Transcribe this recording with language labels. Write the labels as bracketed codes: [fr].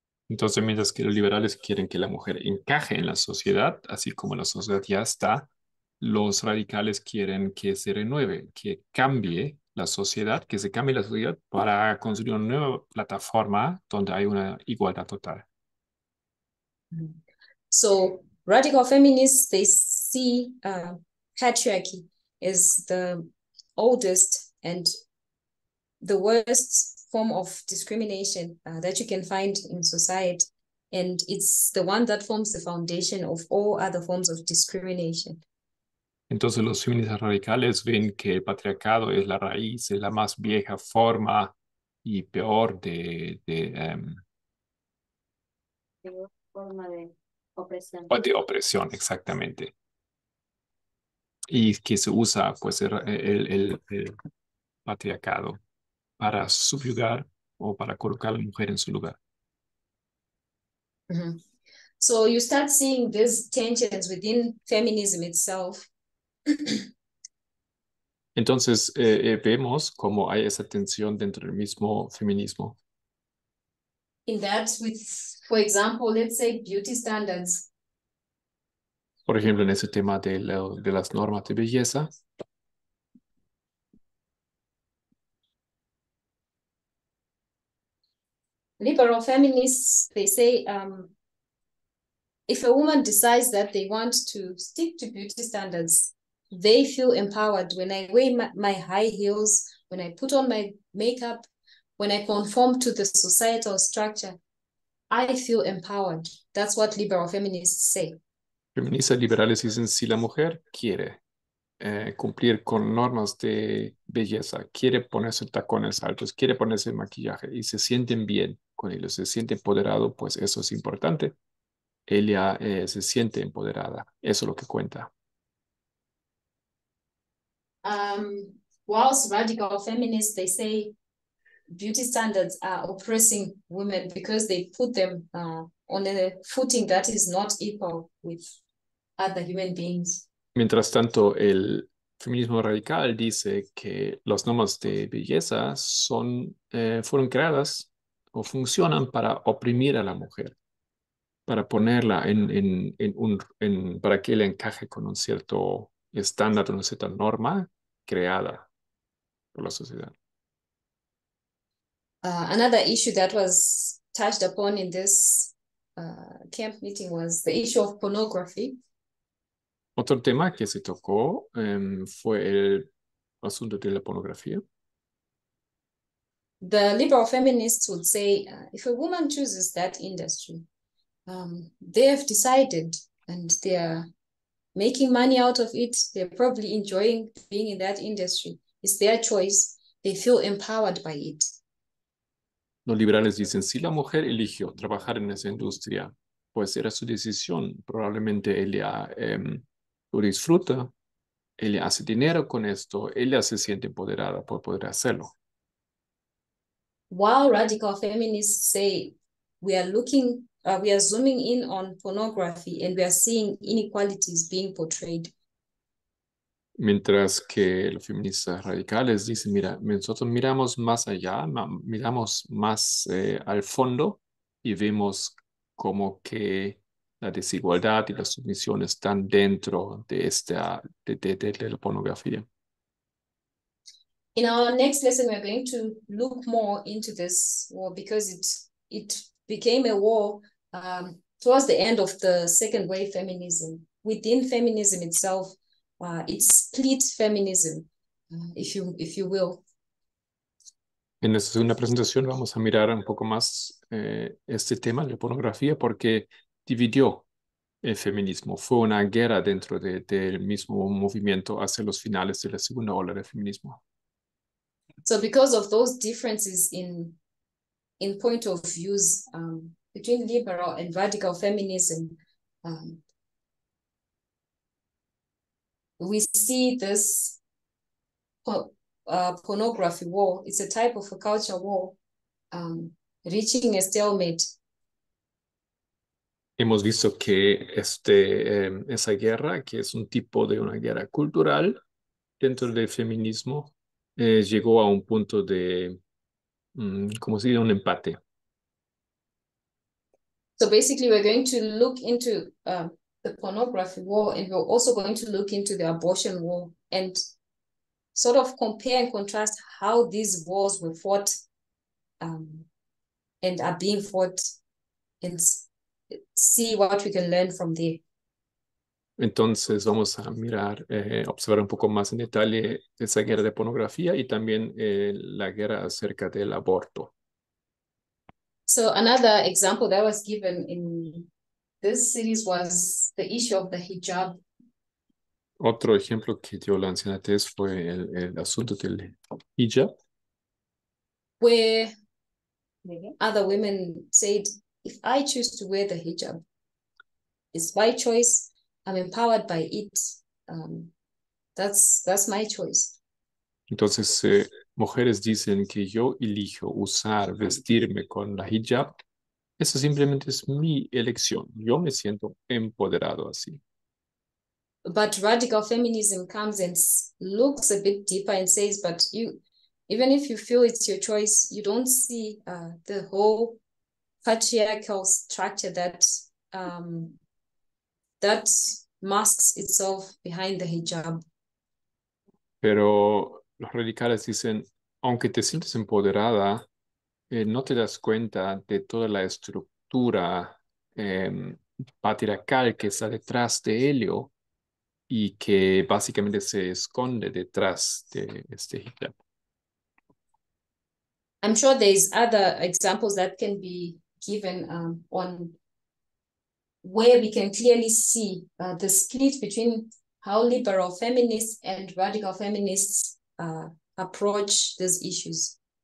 [es] Entonces, mientras que los liberales quieren que la mujer encaje en la sociedad, así como la sociedad ya está, los radicales quieren que se renueve, que cambie la sociedad, que se cambie la sociedad para construir una nueva plataforma donde hay una igualdad total. [en] So, radical feminists, they see patriarchy as the oldest and the worst form of discrimination that you can find in society. And it's the one that forms the foundation of all other forms of discrimination. [es] Entonces los feministas radicales ven que el patriarcado es la raíz, es la más vieja forma y peor de opresión, exactamente. Y que se usa pues el patriarcado para subyugar o para colocar a la mujer en su lugar. Mm-hmm. [en] So you start seeing these tensions within feminism itself. [es] Entonces vemos cómo hay esa tensión dentro del mismo feminismo. [en] In that, with, for example, let's say beauty standards. [es] Por ejemplo, en ese tema de las normas de belleza. [en] Liberal feminists, they say, if a woman decides that they want to stick to beauty standards, they feel empowered. When I wear my high heels, when I put on my makeup, when I conform to the societal structure, I feel empowered. That's what liberal feminists say. [es] Feministas liberales dicen, si la mujer quiere cumplir con normas de belleza, quiere ponerse tacones altos, quiere ponerse maquillaje y se sienten bien con ello, se siente empoderado, pues eso es importante. Ella se siente empoderada. Eso es lo que cuenta. [en] Whilst radical feminists, they say beauty standards are oppressing women because they put them on a footing that is not equal with other human beings. [es] Mientras tanto, el feminismo radical dice que las normas de belleza son fueron creadas o funcionan para oprimir a la mujer, para ponerla en para que le encaje con un cierto estándar, una cierta norma creada por la sociedad. [en] Another issue that was touched upon in this camp meeting was the issue of pornography. [es] Otro tema que se tocó fue el asunto de la pornografía. [en] The liberal feminists would say, if a woman chooses that industry, they have decided and they are making money out of it. They're probably enjoying being in that industry. It's their choice. They feel empowered by it. [es] Los liberales dicen, si la mujer eligió trabajar en esa industria, pues era su decisión. Probablemente ella lo disfruta. Ella hace dinero con esto. Ella se siente empoderada por poder hacerlo. [en] While radical feminists say, we are zooming in on pornography and we are seeing inequalities being portrayed. [es] Mientras que los feministas radicales dicen, mira, nosotros miramos más allá, miramos más al fondo y vemos como que la desigualdad y la sumisión están dentro de esta de la pornografía. [en] In our next lesson, we're going to look more into this war because it became a war towards the end of the second wave feminism. Within feminism itself, it split feminism, if you will. [es] En la segunda presentación vamos a mirar un poco más este tema de pornografía porque dividió el feminismo. Fue una guerra dentro del mismo movimiento hacia los finales de la segunda ola del feminismo. [en] So because of those differences in point of views between liberal and radical feminism, we see this pornography war. It's a type of a culture war reaching a stalemate. [es] Hemos visto que esa guerra, que es un tipo de una guerra cultural dentro del feminismo, llegó a un punto de, como si de un empate. [en] So basically we're going to look into the pornography war and we're also going to look into the abortion war and sort of compare and contrast how these wars were fought and are being fought and see what we can learn from there. [es] Entonces vamos a mirar, observar un poco más en detalle esa guerra de pornografía y también la guerra acerca del aborto. [en] So another example that was given in this series was the issue of the hijab. [es] Otro ejemplo que dio la anciana Tess fue el asunto del hijab. [en] Where other women said, if I choose to wear the hijab, it's my choice. I'm empowered by it. That's my choice. [es] Entonces, mujeres dicen que yo elijo usar, vestirme con la hijab. Eso simplemente es mi elección. Yo me siento empoderado así. [en] But radical feminism comes and looks a bit deeper and says, but you, even if you feel it's your choice, you don't see the whole patriarchal structure that that masks itself behind the hijab. [es] Pero los radicales dicen, aunque te sientes empoderada, no te das cuenta de toda la estructura patriarcal que está detrás de ello y que básicamente se esconde detrás de este hijab. [en] I'm sure there's other examples that can be given on where we can clearly see the split between how liberal feminists and radical feminists approach these issues.